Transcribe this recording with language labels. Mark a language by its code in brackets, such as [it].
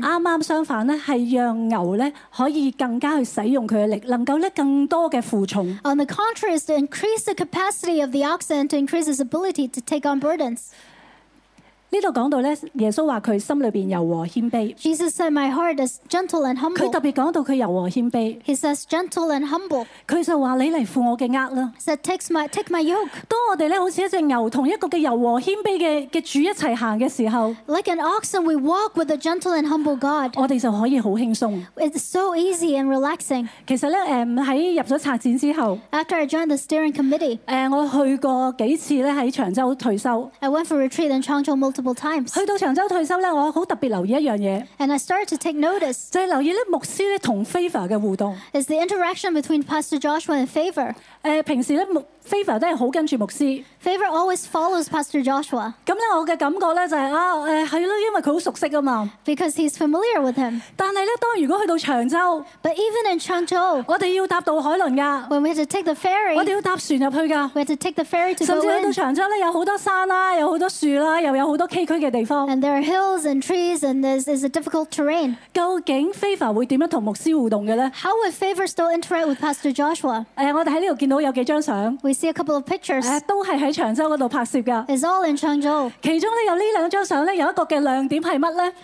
[yue] 啱啱相反咧，系让牛咧可以更加去使用佢嘅力，能够咧更多嘅负重。 [en] On the contrary, is to increase the capacity of the oxen to increase its ability to take on burdens。 [yue] 呢度讲到咧，耶稣话佢心里边柔和谦卑。 [en] Jesus said, "My heart is gentle and humble." [yue] 佢特别讲到佢柔和谦卑。 [en] He says, "Gentle and humble." [yue] 佢就话你嚟负我嘅轭啦。 [en] Said, "Take my yoke." [yue] 当我哋咧好似一只牛同一个嘅柔和谦卑嘅主一齐行嘅时候 [en] ，Like an oxen, we walk with a gentle and humble God. [yue] 我哋就可以好轻松。 [en] It's so easy and relaxing. [yue] 其实咧，喺入咗策展之后 [en] ，After I joined the steering committee， [yue] 我去过几次咧喺长洲退休。 [en] I went for retreat in Changzhou multiple. multiple times. [yue] 去到長洲退休咧，我好特別留意一樣嘢。 [en] And I started to take notice. [yue] 就係留意咧，牧師咧同 Favor 嘅互動。 [en] Is the interaction between Pastor Joshua and Favor? [yue] 平時咧牧 Favor 都係好跟住牧師。 [en] Favor always follows Pastor Joshua. [yue] 咁咧，我嘅感覺咧就係啊，係咯，因為佢好熟悉啊嘛。 [en] Because he's familiar with him. [yue] 但係咧，當如果去到長洲 [en] ，But even in Changzhou, [yue] 我哋要搭渡海輪㗎。 [en] When we had to take the ferry, [yue] 我哋要搭船入去㗎。 [en] We had to take the ferry to go in. [yue] 甚至去到長洲咧，有好多山啦，有好多樹啦，又有好多崎嶇嘅地方。 [en] And there are hills and trees, and this is a difficult terrain. [yue] 究竟 Favor 會點樣同牧師互動嘅咧 [en] ？How would Favor still interact with Pastor Joshua？ [yue] 我哋喺呢度見到有幾張相。 [en] We see a couple of pictures. [yue] 都係喺長洲嗰度拍攝㗎。 [en] It's all in Changzhou. [yue] 其中咧有呢兩張相咧，有一個嘅亮點係乜咧